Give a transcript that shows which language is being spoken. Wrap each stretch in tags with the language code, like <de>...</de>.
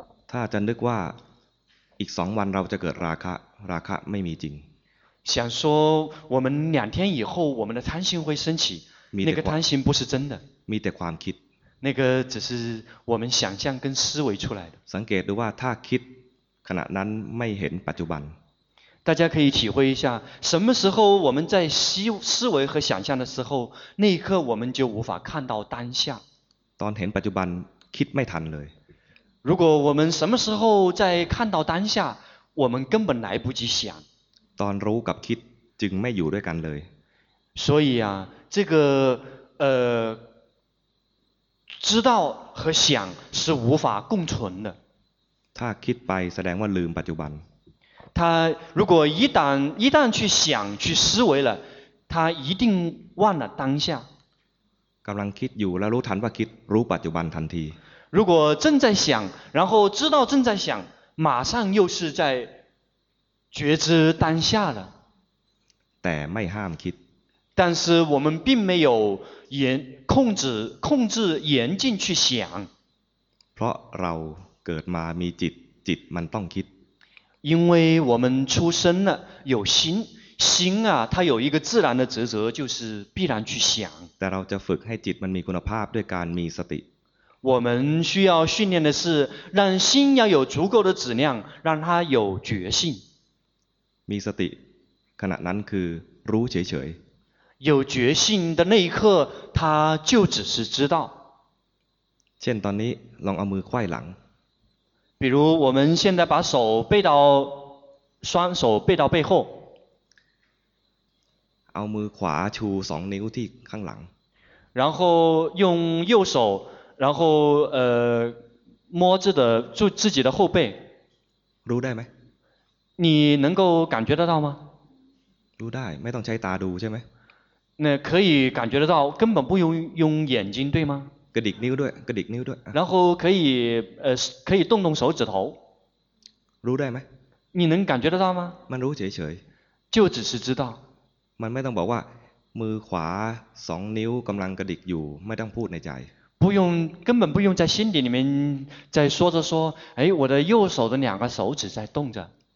<th>ถ้าจะนึกว่าอีก2วันเราจะเกิดราคะราคะไม่มีจริง</th> <zh>想说我们两天以后我们的贪心会升起那个贪心不是真的</zh> <th>มีแต่ความคิด</th> <zh>那个只是我们想象跟思维出来的</zh> <th>สังเกตดูว่าถ้าคิดขณะนั้นไม่เห็นปัจจุบัน</th> <zh>大家可以体会一下什么时候我们在思维和想象的时候那一刻我们就无法看到当下</zh> <th>ตอนเห็นปัจจุบันคิดไม่ทันเลย</th> <zh>如果我们什么时候在看到当下我们根本来不及想</zh> <th>ตอนรู้กับคิดจึงไม่อยู่ด้วยกันเลย</th> <zh>所以啊这个知道和想是无法共存的</zh> <th>ถ้าคิดไปแสดงว่าลืมปัจจุบัน</th> <zh>他如果一旦去想去思维了他一定忘了当下</zh> <th>กำลังคิดอยู่แล้วรู้ทันว่าคิดรู้ปัจจุบันทันที</th> <zh>如果正在想然后知道正在想马上又是在觉知当下了</zh> <th>แต่ไม่ห้ามคิด</th> <zh>但是我们并没有控制严禁去想</zh> <th>เพราะเราเกิดมามีจิตมันต้องคิด</th> <zh>因为我们出生了有心心啊它有一个自然的职责就是必然去想</zh> <th>แต่เราจะฝึกให้จิตมันมีคุณภาพด้วยการมีสติ</th> <zh>我们需要训练的是让心要有足够的质量让它有觉性</zh> <th>มีสติขณะนั้นคือรู้เฉย</th> <zh>ๆ有觉性的那一刻它就只是知道</zh> <th>เช่นตอนนี้ลองเอามือไขว้หลัง</th> <zh>比如我们现在把手背到双手背到背后</zh> <th>เอามือขวาชู2นิ้วที่ข้างหลัง</th> <zh>然后用右手然后摸着的住自己的后背</zh> <th>รู้ได้ไหม</th> <zh>你能够感觉得到吗</zh> <th>รู้ได้ไม่ต้องใช้ตาดูใช่ไหม</th> <zh>那可以感觉得到根本不用眼睛对吗</zh> <th>กระดิกนิ้วด้วยกระดิกนิ้วด้วย</th> <zh>然后可以动动手指头</zh> <th>รู้ได้ไ</th> <zh>หม你能感觉得到吗</zh> <th>มันรู้เฉย</th> <zh>ๆ就只是知道</zh> <th>มันไม่ต้องบอกว่ามือขวา2นิ้วกำลังกระดิกอยู่ไม่ต้องพูดในใจ</th> <zh>不用根本不用在心底里面在说着说哎我的右手的两个手指在动着</zh>